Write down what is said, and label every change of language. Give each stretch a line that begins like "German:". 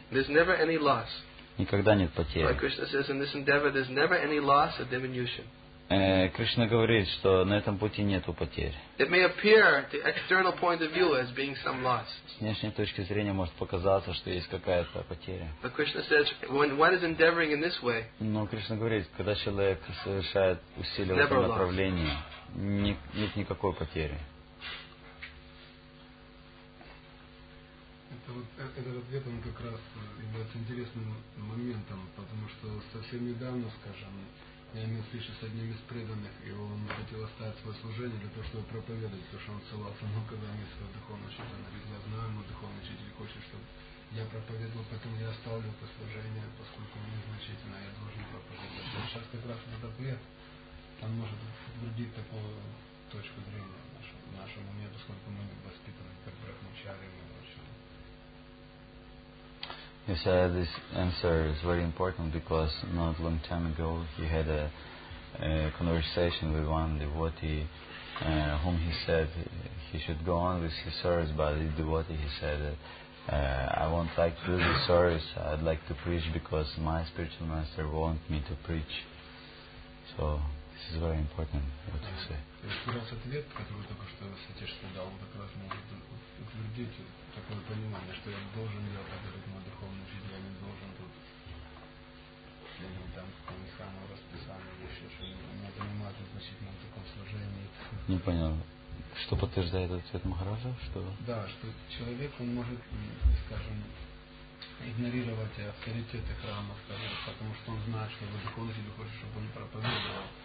English: There's never any loss.
Russian: Никогда нет потери.
English: Like Krishna says, in this endeavor, there's never any loss or diminution.
Russian: Кришна говорит, что на этом пути нету потерь.
English: It may appear to external point of view as being some loss.
Russian: С внешней точки зрения может показаться, что есть какая-то потеря.
English: But Krishna says, when one is endeavoring in this way.
Russian: Но Кришна говорит, когда человек совершает усилия в этом направлении, нет никакой потери. Это вот этот ответ, он как раз является интересным моментом, потому что совсем недавно, скажем, я имел встречу с одним из преданных, и он хотел оставить свое служение для того, чтобы проповедовать, потому что он ссылался, но когда мне свой духовный учитель говорит, я знаю, мой духовный учитель хочет, чтобы я проповедовал, поэтому я оставлю это служение, поскольку он незначительно, я должен проповедовать. Но сейчас как раз этот ответ, он может вредить такую точку зрения нашему методу, сколько мы воспитаны, как брахмачари и прочее.
English: He said this answer is very important because not long time ago he had a conversation with one devotee whom he said he should go on with his service, but the devotee he said I won't like to do the service, I'd like to preach because my spiritual master wants me to preach. So this is very important what you say.
Russian: Такое понимание, что я должен делать, говорит мой духовный учитель, я не должен тут следить там какое-нибудь храмовое расписание или еще что-нибудь. Меня занимает значительно в таком служении. Не понял. Что подтверждает этот ответ Махараджа? Что? Да, что человек, он может, скажем, игнорировать авторитеты храма, скажем, потому что он знает, что его духовный учитель хочет, чтобы он проповедовал.